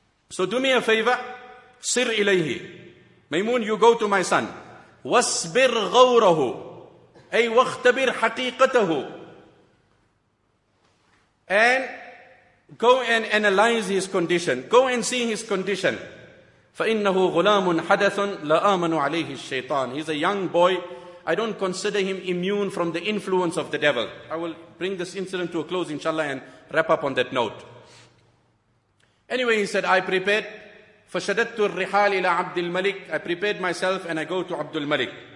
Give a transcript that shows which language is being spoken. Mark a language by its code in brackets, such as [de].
[en] So do me a favor, [ar] sir ilayhi. [en] Maymoon, you go to my son. [ar] Wasbir ghawrahu. Ay wakhtabir haqiqatahu. [en] And go and analyze his condition. Go and see his condition. [ar] فَإِنَّهُ غُلَامٌ حَدَثٌ لَآمَنُ عَلَيْهِ الشَّيْطَانِ [en] He's a young boy. I don't consider him immune from the influence of the devil. I will bring this incident to a close, inshallah, and wrap up on that note. Anyway, he said, I prepared. [ar] فَشَدَدْتُ الرِّحَالِ إِلَىٰ عَبْدِ الْمَلِكِ [en] I prepared myself and I go to Abdul Malik.